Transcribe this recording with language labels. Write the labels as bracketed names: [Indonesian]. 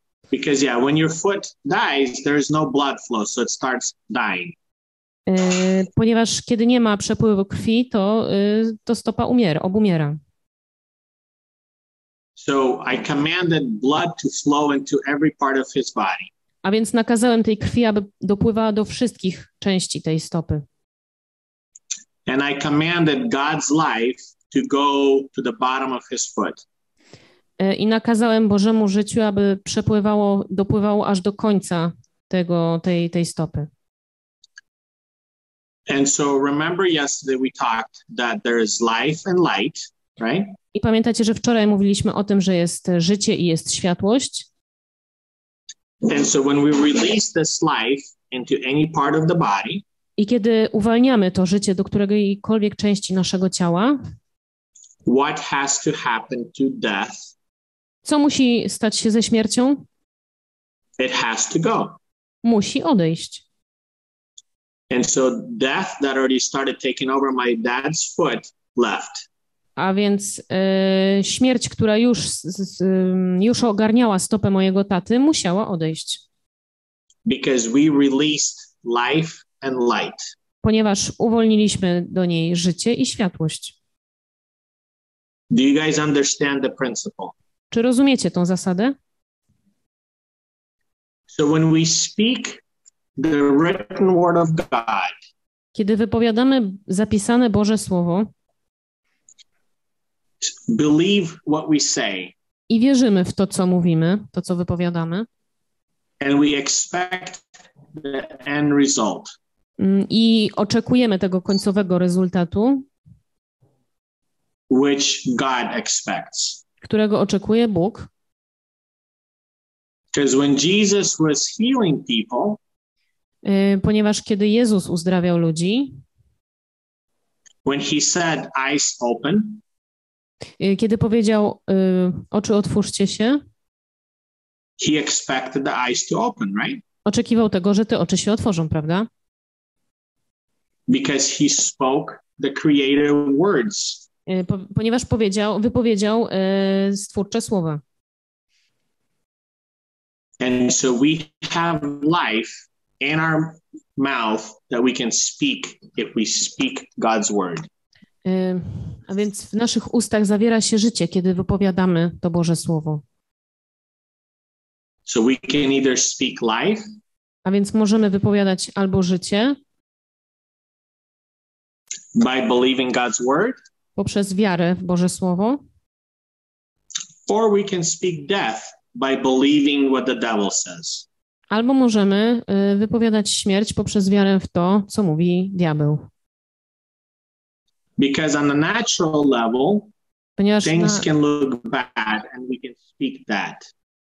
[English] Because yeah, when your foot dies, there is no blood flow, so it starts dying. [Polish] Ponieważ kiedy nie ma przepływu krwi, to stopa obumiera. [English] So I commanded blood to flow into every part of his body. [Polish] A więc nakazałem tej krwi, aby dopływała do wszystkich części tej stopy. [English] And I commanded God's life to go to the bottom of his foot. [Polish] i nakazałem Bożemu życiu, aby przepływało, dopływało aż do końca tego, tej stopy. [English] And so remember yesterday we talked that there is life and light, right? [Polish] I pamiętacie, że wczoraj mówiliśmy o tym, że jest życie i jest światłość. [English] And so when we release this life into any part of the body, [Polish] i kiedy uwalniamy to życie do którejkolwiek części naszego ciała, [English] what has to happen to death? [Polish] Co musi stać się ze śmiercią? [English] It has to go. [Polish] Musi odejść. [English] And so death that already started taking over my dad's foot left. [Polish] A więc śmierć, która już już ogarniała stopę mojego taty, musiała odejść. [English] Because we released life and light. [Polish] Ponieważ uwolniliśmy do niej życie i światłość. [English] Do you guys understand the principle? [Polish] Czy rozumiecie tą zasadę? [English] So when we speak the written word of God, [Polish] kiedy wypowiadamy zapisane Boże Słowo, [English] believe what we say, [Polish] i wierzymy w to, co mówimy, to, co wypowiadamy, [English] and we expect the end result, [Polish] i oczekujemy tego końcowego rezultatu, [English] which God expects, [Polish] którego oczekuje Bóg. [English] Because when Jesus was healing people, [Polish] ponieważ kiedy Jezus uzdrawiał ludzi, [English] when he said, eyes open, [Polish] kiedy powiedział, oczy otwórzcie się, [English] he expected the eyes to open, right? [Polish] Oczekiwał tego, że te oczy się otworzą, prawda? [English] Because he spoke the creator words. [Polish] Ponieważ powiedział, wypowiedział stwórcze słowa. [English] And so we have life in our mouth that we can speak if we speak God's word. [Polish] A więc w naszych ustach zawiera się życie, kiedy wypowiadamy to Boże Słowo. [English] So we can either speak life, [Polish] a więc możemy wypowiadać albo życie [English] by believing God's word, [Polish] poprzez wiarę w Boże Słowo, [English] or we can speak death by believing what the devil says. [Polish] Albo możemy wypowiadać śmierć poprzez wiarę w to, co mówi diabeł. [English] Because on the natural level, [Polish] ponieważ [English] things can look bad and we can speak that.